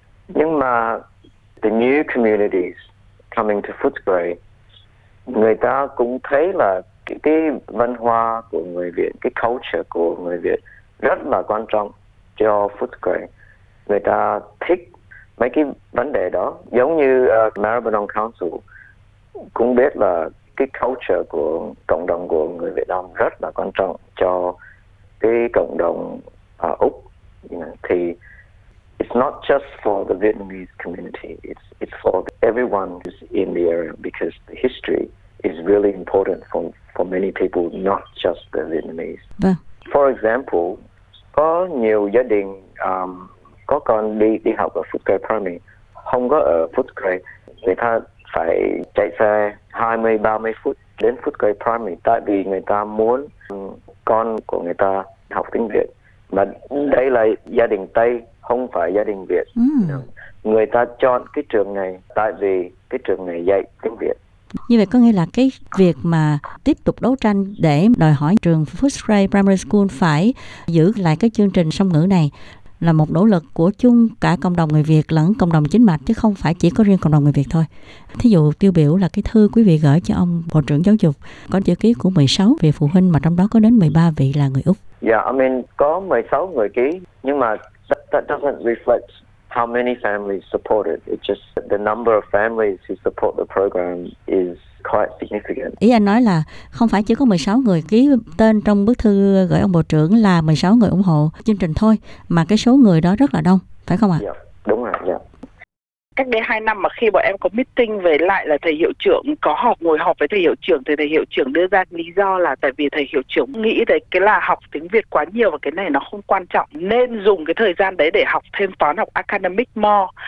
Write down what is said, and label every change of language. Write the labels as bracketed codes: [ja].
[vi] Nhưng mà the new communities coming to Footscray, người ta cũng thấy là cái văn hóa của người Việt, cái culture của người Việt rất là quan trọng cho Footscray. Người ta thích mấy cái vấn đề đó. Giống như Maribyrnong Council cũng biết là cái culture của cộng đồng của người Việt Nam rất là quan trọng cho cái cộng đồng Úc. Thì [en] it's not just for the Vietnamese community, it's for everyone who's in the area, because the history is really important for many people, not just the Vietnamese. For example, [vi] có nhiều gia đình có con đi học ở Footscray Primary, không có ở Footscray, người ta phải chạy xe 20-30 phút đến Footscray Primary, tại vì người ta muốn con của người ta học tiếng Việt. Mà đây là gia đình Tây, không phải gia đình Việt. Người ta chọn cái trường này tại vì cái trường này dạy tiếng Việt. Như vậy có nghĩa là cái việc mà tiếp tục đấu tranh để đòi hỏi trường Footscray Primary School phải giữ lại cái chương trình song ngữ này là một nỗ lực của chung cả cộng đồng người Việt lẫn cộng đồng chính mạch, chứ không phải chỉ có riêng cộng đồng người Việt thôi. Thí dụ tiêu biểu là cái thư quý vị gửi cho ông Bộ trưởng Giáo dục có chữ ký của 16 vị phụ huynh, mà trong đó có đến 13 vị là người Úc. [en] Yeah, I mean, [vi] có 16 người ký, nhưng mà [en] that doesn't reflect how many families support it. It's just the number of families who support the program is quite significant. [vi] Ý anh nói là không phải chỉ có 16 người ký tên trong bức thư gửi ông Bộ trưởng là 16 người ủng hộ chương trình thôi, mà cái số người đó rất là đông, phải không ạ? Đúng rồi, Cách đây 2 năm mà khi bọn em có meeting về lại là thầy hiệu trưởng, có họp ngồi họp với thầy hiệu trưởng, thì thầy hiệu trưởng đưa ra lý do là tại vì thầy hiệu trưởng nghĩ đấy cái là học tiếng Việt quá nhiều và cái này nó không quan trọng, nên dùng cái thời gian đấy để học thêm toán, học [en] academic more.